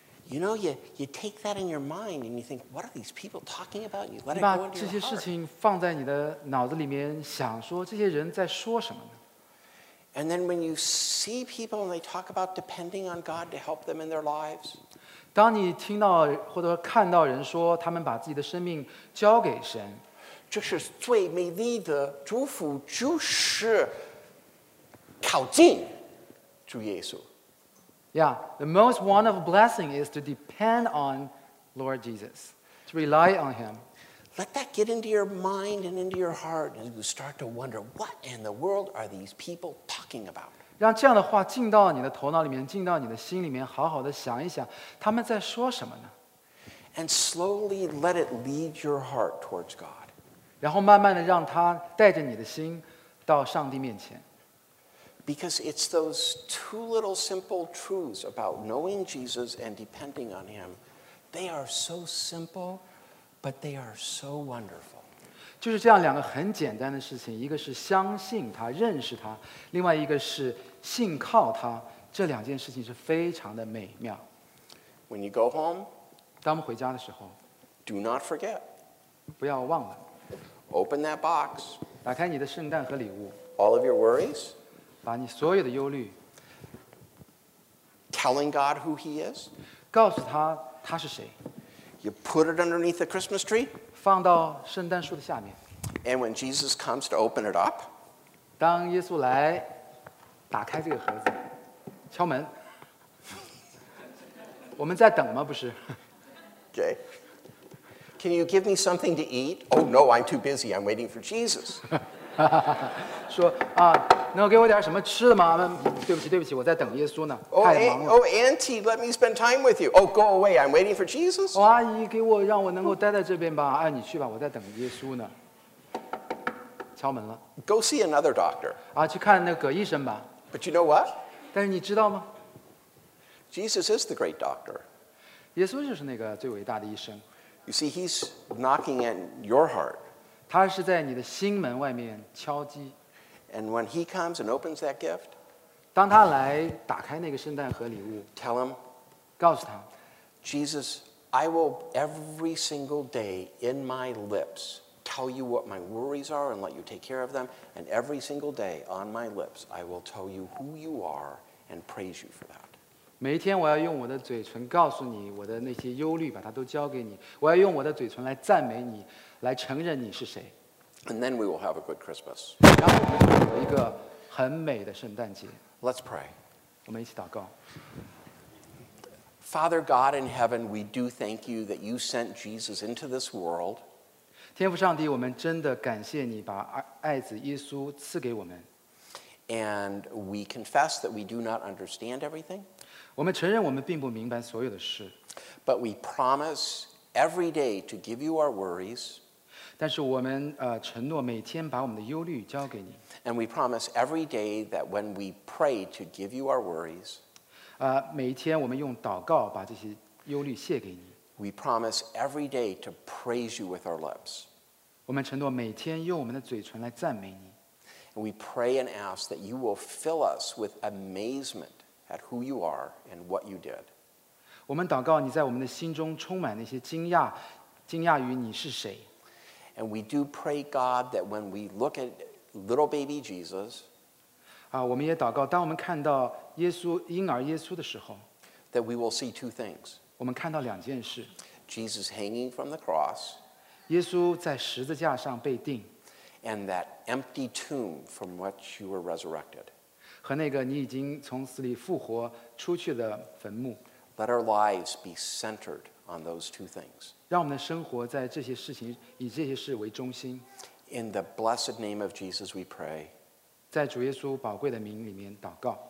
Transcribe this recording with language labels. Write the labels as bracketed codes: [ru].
[en] You know, you take that in your mind and you think, what are these people talking about? You let it go into your heart. [zh] 把这些事情放在你的脑子里面想说这些人在说什么呢？ [en] And then when you see people and they talk about depending on God to help them in their lives, [zh] 当你听到或者看到人说他们把自己的生命交给神，这是最美丽的祝福，就是靠近主耶稣。 [en] Yeah, the most wonderful blessing is to depend on Lord Jesus, to rely on Him. Let that get into your mind and into your heart, and you start to wonder, what in the world are these people talking about? [zh] 让这样的话进到你的头脑里面，进到你的心里面，好好的想一想，他们在说什么呢？ [en] And slowly let it lead your heart towards God. [zh] 然后慢慢的让他带着你的心到上帝面前。 [en] Because it's those two little simple truths about knowing Jesus and depending on Him. They are so simple, but they are so wonderful. [zh] 就是这样两个很简单的事情，一个是相信他，认识他，另外一个是信靠他，这两件事情是非常的美妙。 [en] When you go home, [zh] 当我们回家的时候， [en] do not forget. [zh] 不要忘了。 [en] Open that box. [zh] 打开你的圣诞和礼物。 [en] All of your worries. [zh] 把你所有的忧虑 [en] telling God who He is, [zh] 告诉他他是谁 [en] you put it underneath the Christmas tree, [zh] 放到圣诞树的下面 [en] and when Jesus comes to open it up, [zh] 当耶稣来打开这个盒子敲门我们在等吗不是 [en] okay, can you give me something to eat? Oh no, I'm too busy, I'm waiting for Jesus. [zh] 说啊能够给我点什么吃的吗？对不起，对不起，我在等耶稣呢，太忙了。 [en] Oh, Auntie, let me spend time with you. Oh, go away. I'm waiting for Jesus. [zh] 哦，阿姨，给我让我能够待在这边吧。哎，你去吧，我在等耶稣呢。敲门了。 [en] Go see another doctor. [zh] 啊，去看那个葛医生吧。 [en] But you know what? [zh] 但是你知道吗 [en] ？Jesus is the great doctor. [zh] 耶稣就是那个最伟大的医生。 [en] You see, he's knocking at your heart. [zh] 他是在你的心门外面敲击。 [en] And when he comes and opens that gift, [zh] 当他来打开那个圣诞盒礼物 [en] tell him, [zh] 告诉他 [en] Jesus, I will every single day in my lips tell you what my worries are and let you take care of them. And every single day on my lips, I will tell you who you are and praise you for that. [zh] 每一天我要用我的嘴唇告诉你我的那些忧虑，把它都交给你。我要用我的嘴唇来赞美你，来承认你是谁。 [en] And then we will have a good Christmas. [zh] 然后我们会有一个很美的圣诞节。 [en] Let's pray. [zh] 我们一起祷告。 [en] Father God in heaven, we do thank you that you sent Jesus into this world. [zh] 天父上帝，我们真的感谢你把爱子耶稣赐给我们。 [en] And we confess that we do not understand everything. [zh] 我们承认我们并不明白所有的事。 [en] But we promise every day to give you our worries. [zh] 但是我们承诺每天把我们的忧虑交给你。 [en] And we promise every day that when we pray to give you our worries, [zh] 每一天我们用祷告把这些忧虑卸给你。 [en] We promise every day to praise you with our lips. [zh] 我们承诺每天用我们的嘴唇来赞美你。 [en] And we pray and ask that you will fill us with amazement at who you are and what you did. [zh] 我们祷告你在我们的心中充满那些惊讶，惊讶于你是谁。 [en] And we do pray, God, that when we look at little baby Jesus, [zh] 我们也祷告，当我们看到耶稣婴儿耶稣的时候 [en] ，that we will see two things. [zh] 我们看到两件事 [en] ，Jesus hanging from the cross, [zh] 耶稣在十字架上被钉 [en] ，and that empty tomb from which you were resurrected. [zh] 和那个你已经从死里复活出去的坟墓。 [en] Let our lives be centered on those two things. [zh] 让我们的生活在这些事情以这些事为中心。 [en] In the blessed name of Jesus, we pray. [zh] 在主耶稣宝贵的名里面祷告。